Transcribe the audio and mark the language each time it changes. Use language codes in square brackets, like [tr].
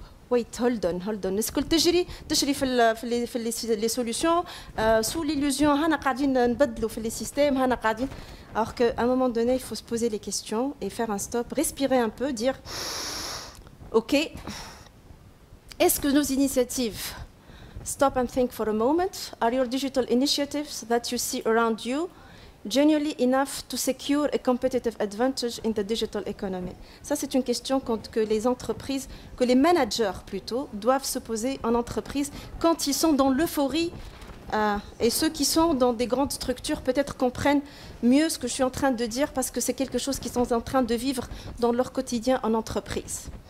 [en] Wait, hold on. [fr] Est-ce que le tajri, les solutions, sous l'illusion, alors qu'à un moment donné, il faut se poser les questions et faire un stop, respirer un peu, dire, OK, est-ce que nos initiatives... [en] Stop and think for a moment. Are your digital initiatives that you see around you genuinely enough to secure a competitive advantage in the digital economy? [fr] Ça, c'est une question que les managers plutôt, doivent se poser en entreprise quand ils sont dans l'euphorie. Et ceux qui sont dans des grandes structures peut-être comprennent mieux ce que je suis en train de dire parce que c'est quelque chose qu'ils sont en train de vivre dans leur quotidien en entreprise.